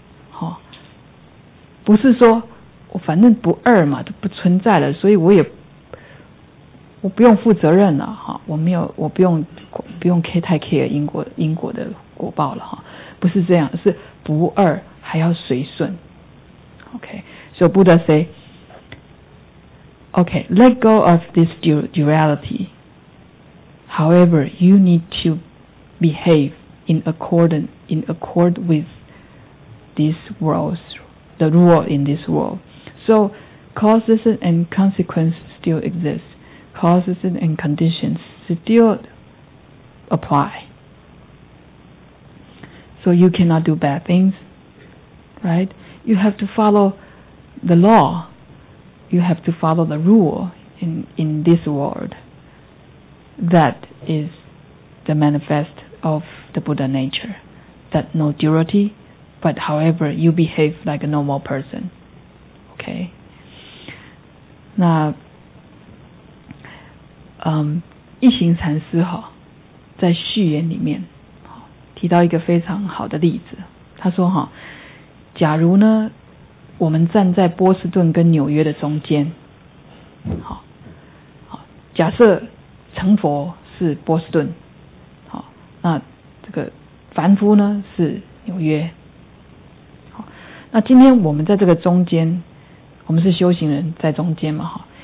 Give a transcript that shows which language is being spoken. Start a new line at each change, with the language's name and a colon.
Chinese: 好，不是说我反正不二嘛，都不存在了，所以我也。我不用负责任了，我没有，我不用 太 care 因果的果报了，不是这样，是不二还要随顺。
English: OK, so Buddha say, OK, let go of this duality. However, you need to behave in accord with this world's, the rule in this world. So causes and consequences still exist. Causes and conditions still apply. So you cannot do bad things, right? You have to follow the law. You have to follow the rule in this world. That is the manifest of the Buddha nature. That no duality, but however you behave like a normal person. Okay?
Chinese: Now,一行禅师哈，在序言里面提到一个非常好的例子。他说哈，假如呢，我们站在波士顿跟纽约的中间，好，假设成佛是波士顿，好，那这个凡夫呢是纽约，好，那今天我们在这个中间，我们是修行人在中间嘛哈。